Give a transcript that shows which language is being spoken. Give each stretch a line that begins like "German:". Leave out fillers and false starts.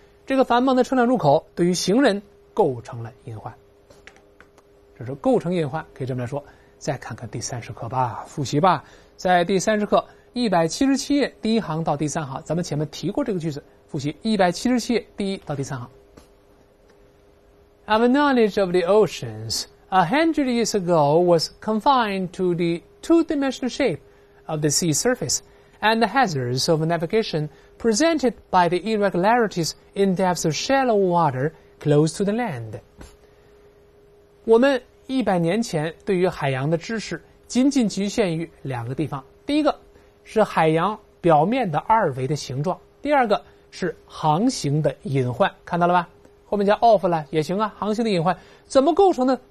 Chinese: 这个繁忙的车辆入口对于行人构成了隐患。这是构成隐患，可以这么来说。再看看第30课吧，复习吧。在第30课177页第一行到第三行，咱们前面提过这个句子，复习177页第一到第三行。
English: Our knowledge of the oceans 100 years ago was confined to the two-dimensional shape of the sea surface and the hazards of navigation presented by the irregularities in depths of shallow water close to the land.
Chinese: 我们100年前对于海洋的知识仅仅局限于两个地方，第一个是海洋表面的二维的形状，第二个是航行的隐患，看到了吧？后面加 of 了也行啊，航行的隐患怎么构成的？